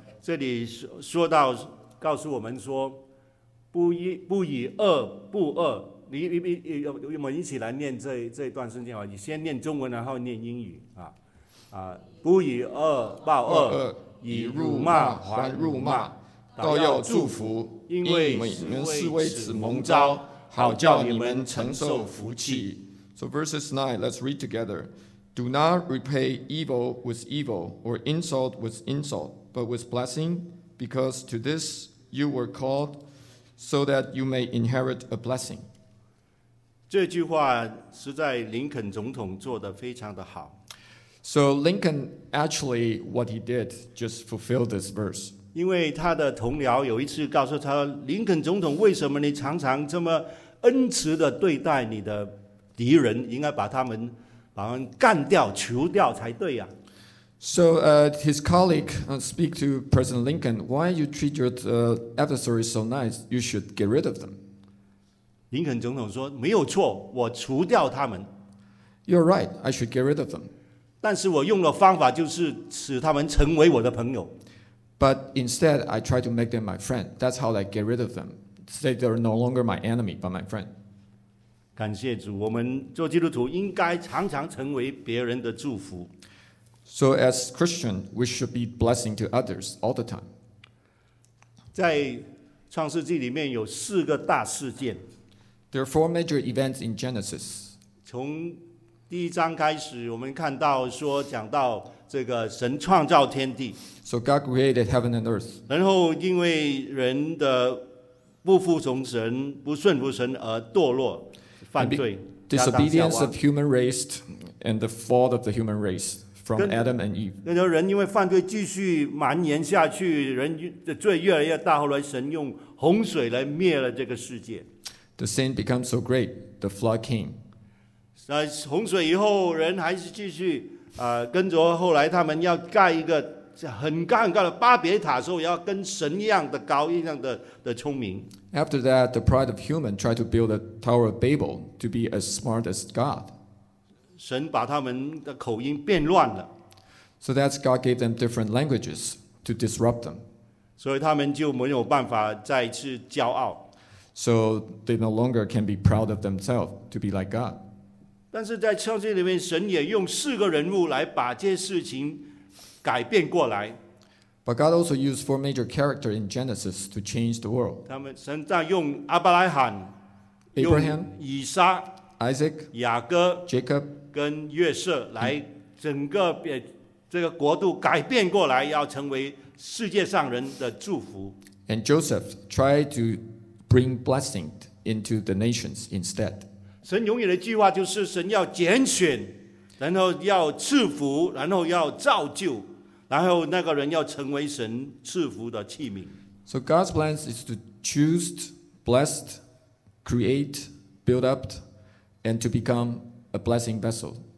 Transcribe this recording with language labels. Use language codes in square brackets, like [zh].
[zh] 这里说到告诉我们说不以恶不恶，你们一起来念这一段圣经，你先念中文然后念英语啊。啊，不以恶报恶，以辱骂还辱骂，倒要祝福，因为你们是为此蒙召，好叫你们承受福气。 [en] So verses 9, let's read together. Do not repay evil with evil or insult with insult, but with blessing, because to this you were called, so that you may inherit a blessing. [zh] 这句话实在林肯总统做得非常的好。 [en] So Lincoln, actually, what he did just fulfilled this verse. [zh] 因为他的同僚有一次告诉他，林肯总统，为什么你常常这么恩慈地对待你的敌人？应该把他们干掉、除掉才对呀。 [en] So his colleague speak to President Lincoln, why you treat your adversaries so nice? You should get rid of them. [zh] 林肯总统说，没有错，我除掉他们。 [en] You're right, I should get rid of them. [zh] 但是我用的方法就是使他们成为我的朋友。 [en] But instead, I try to make them my friend. That's how I get rid of them. Say they're no longer my enemy, but my friend. [zh] 感谢主，我们做基督徒应该常常成为别人的祝福。 [en] So as Christian, we should be blessing to others all the time. [zh] 在创世纪里面有四个大事件。 [en] There are four major events in Genesis. [zh] 从第一章开始，我们看到说讲到这个神创造天地。 [en] So God created heaven and earth. [zh] 然后因为人的不服从神、不顺服神而堕落、犯罪。 [en] Disobedience of human race and the fall of the human race from Adam and Eve. [zh] 那时候人因为犯罪继续蔓延下去，人的罪越来越大。后来神用洪水来灭了这个世界。 [en] The sin becomes so great, the flood came. [zh] 洪水以后人还是继续跟着后来他们要盖一个很高很高的巴别塔的时候要跟神一样的高一样 的聪明。 [en] After that, the pride of human tried to build a tower of Babel to be as smart as God. [zh] 神把他们的口音变乱了。 [en] So that's God gave them different languages to disrupt them. [zh] 所以他们就没有办法再次骄傲。 [en] So they no longer can be proud of themselves to be like God. [zh] 但是在圣经里面，神也用四个人物来把这事情改变过来。 [en] But God also used four major characters in Genesis to change the world. [zh] 他们神在用亚伯拉罕、 [en] Abraham、 [zh] 以撒、 [en] Isaac、 [zh] 雅各、 [en] Jacob [zh] 跟约瑟来整个这个国度改变过来，要成为世界上人的祝福。 [en] And Joseph tried to bring blessing into the nations instead. [zh] 神永远的计划就是神要拣选，然后要赐福，然后要造就，然后那个人要成为神赐福的器皿。 [en] So God's plan is to choose, bless, create, build up, and to become a blessing vessel.